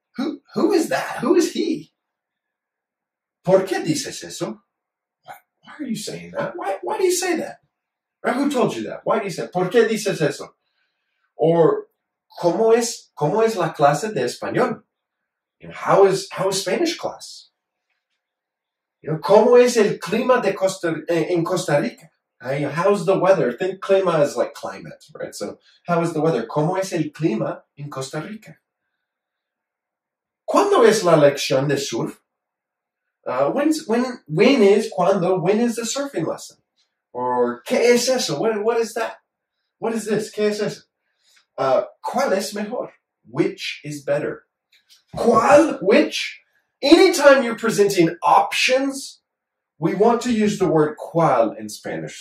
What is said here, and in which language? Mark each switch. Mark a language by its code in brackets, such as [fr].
[en] Who is that? Who is he? ¿Por qué dices eso? Why are you saying that? Why do you say that? Right? Who told you that? [es] Why do you say, ¿por qué dices eso? Or, ¿cómo es la clase de español? [en] You know, how is Spanish class? [es] You know, ¿cómo es el clima de Costa Rica? [en] How's the weather? Think clima is like climate, right? So, how is the weather? [es] ¿Cómo es el clima en Costa Rica? ¿Cuándo es la lección de surf? [en] When is the surfing lesson? Or ¿qué es eso? What is that? What is this? ¿Qué es eso? [es] ¿Cuál es mejor? Which is better? ¿Cuál? Which? [en] Anytime you're presenting options, we want to use the word ¿cuál in Spanish.